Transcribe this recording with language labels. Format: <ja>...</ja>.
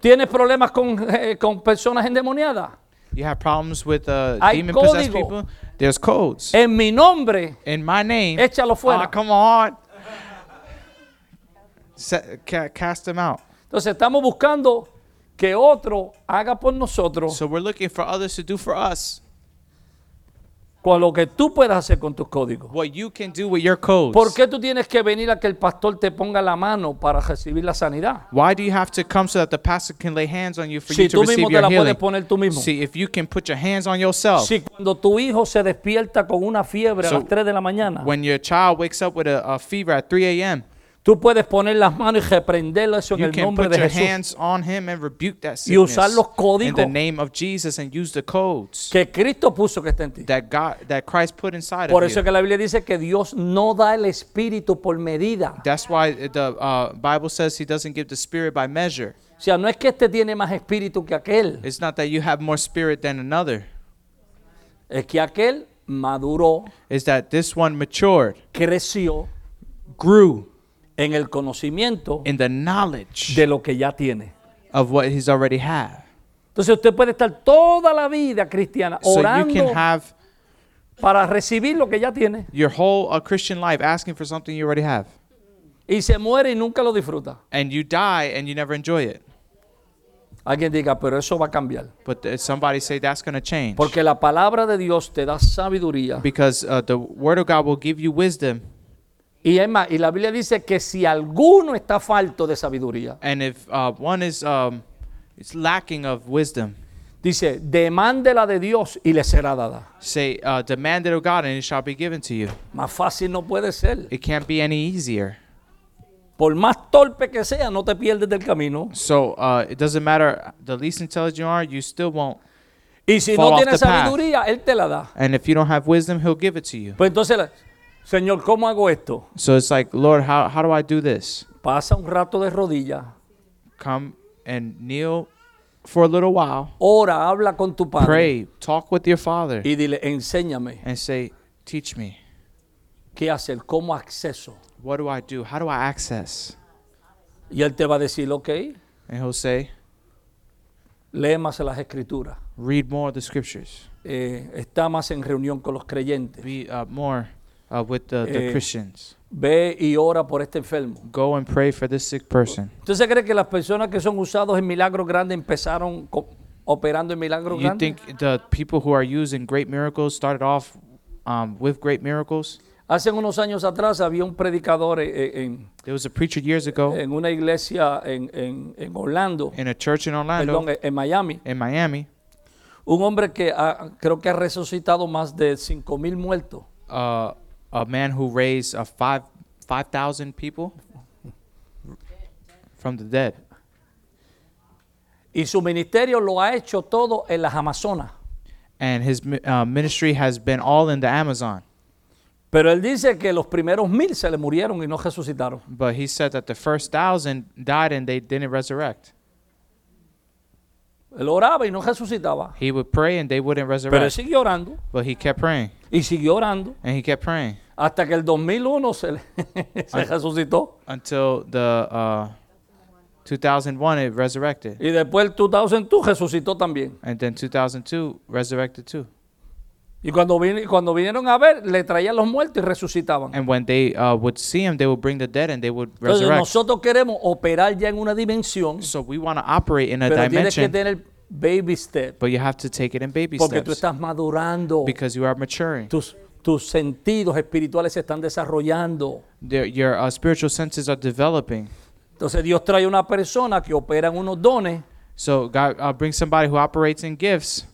<es>¿Tienes problemas con personas endemoniadas?</es> <en>You have problems with demon-possessed</en> <es>código.</es> <en>People. There's codes.</en> <es>En mi nombre,</es> <en>in my name.</en> <es>Échalo fuera.</es> <en>Ah, come on. cast them out.</en> <es>Entonces, estamos buscando que otro haga por nosotros.</es> <en>So we're looking for others to do for us.</en> <es>Con lo que tú puedas hacer con tus códigos.</es> <en>What you can do with your codes.</en> <es>¿Por qué tú tienes que venir a que el pastor te ponga la mano para recibir la sanidad?</es> <en>Why do you have to come so that the pastor can lay hands on you for</en> <es>si</es> <en>you to receive your healing?</en> <es>Si tú mismo te la puedes poner tú mismo.</es> <en>See, if you can put your hands on yourself.</en> <es>Si cuando tu hijo se despierta con una fiebre a las 3 de la mañana.</es> <en>When your child wakes up with a fever at 3 a.m.</en> <es>Tú puedes poner las manos y reprenderlo eso en el nombre de Jesús.</es> <en>You can put your hands on him and rebuke that sickness.</en> <es>Y usar los códigos.</es> <en>In the name of Jesus and use the codes.</en> <es>Que Cristo puso que está en ti.</es> <en>That Christ put inside of you.</en> <es>Por eso que la Biblia dice que Dios no da el espíritu por medida.</es> <en>That's why the Bible says he doesn't give the spirit by measure.</en> <es>O sea, no es que este tiene más espíritu que aquel.</es> <en>It's not that you have more spirit than another.</en> <es>Es que aquel maduró.</es> <en>Is that this one matured.</en> <es>Creció.</es> <en>Grew.</en> <es>En el conocimiento</es> <en>in the knowledge</en> <es>de lo que ya tiene.</es> <en>Of what he's already had.</en> <es>Entonces usted puede estar toda la vida cristiana</es> <en>so</en> <es>orando</es> <en>you can have</en> <es>para recibir lo que ya tiene.</es> <en>Your whole Christian life asking for something you already have.</en> <es>Y se muere y nunca lo disfruta.</es> <en>And you die and you never enjoy it.</en> <es>Alguien diga, pero eso va a cambiar.</es> <en>But somebody say that's going to change.</en> <es>Porque la palabra de Dios te da sabiduría.</es> <en>Because the word of God will give you wisdom.</en> <es>Y es más, y la Biblia dice que si alguno está falto de sabiduría.</es> <en>And if one is it's lacking of wisdom.</en> <es>Dice, demándela de Dios y le será dada.</es> <en>Say, demand it of God and it shall be given to you.</en> <es>Más fácil no puede ser.</es> <en>It can't be any easier.</en> <es>Por más torpe que sea, no te pierdes del camino.</es> <en>So, it doesn't matter the least intelligent you are, you still won't.</en> <es>Y si no tienes sabiduría, él te la da.</es> <en>And if you don't have wisdom, he'll give it to you.</en> <es>Pues entonces, Señor, ¿cómo hago esto?</es> <en>So it's like, Lord, how do I do this?</en> <es>Pasa un rato de rodillas.</es> <en>Come and kneel for a little while.</en> <es>Ora, habla con tu padre.</es> <en>Pray, talk with your father.</en> <es>Y dile, enséñame.</es> <en>And say, teach me.</en> <es>¿Qué hacer? ¿Cómo acceso?</es> <en>What do I do? How do I access?</en> <es>Y él te va a decir, okay.</es> <en>And he'll say,</en> <es>lee más las escrituras.</es> <en>Read more of the scriptures.</en> <es>Está más en reunión con los creyentes.</es> <en>Be more with the Christians.</en> <es>Ve y ora por este enfermo.</es> <en>Go and pray for this sick person.</en> <es>¿Entonces cree que las personas que son usados en milagros grandes empezaron operando en milagros grandes?</es> <en>You think the people who are used in great miracles started off with great miracles?</en> <es>Hace unos años atrás había un predicador</es> <en>there was a preacher years ago</en> <es>en una iglesia en Orlando.</es> <en>In a church in Orlando.</en> <es>Perdón, en Miami.</es> <en>In Miami.</en> <es>Un hombre que creo que ha resucitado más de 5,000 muertos.</es> <en>A man who raised 5,000 people from the dead.</en> <es>Y su ministerio lo ha hecho todo en las Amazonas.</es> <en>And his ministry has been all in the Amazon.</en> <es>Pero él dice que los primeros 1,000 se le murieron y no resucitaron.</es> <en>But he said that the first 1,000 died and they didn't resurrect.</en> <es>Él oraba y no resucitaba.</es> <en>He would pray and they wouldn't resurrect.</en> <es>Pero él siguió orando.</es> <en>But he kept praying.</en> <es>Y siguió orando.</es> <en>And he kept praying.</en> <es>Hasta que el 2001 se resucitó.</es> <en>Until the 2001 it resurrected.</en> <es>Y después el 2002 resucitó también.</es> <en>And then 2002 resurrected too.</en> <es>Y cuando vinieron a ver, le traían los muertos y resucitaban.</es> <en>And when they would see him, they would bring the dead and they would resurrect.</en> <es>Entonces nosotros queremos operar ya en una dimensión.</es> <en>So we want to operate in a</en> <es>pero</es> <en>dimension.</en> <es>Pero tienes que tener</es> <en>baby steps. But you have to take it in baby</en> <es>porque Porque tú estás madurando.</es> <en>Because you are maturing.</en> <es>Tus sentidos espirituales se están desarrollando.</es> <en>Your spiritual senses are developing.</en> <es>Entonces Dios trae una persona que opera en unos dones.</es> <en>So God brings somebody who operates in gifts.</en>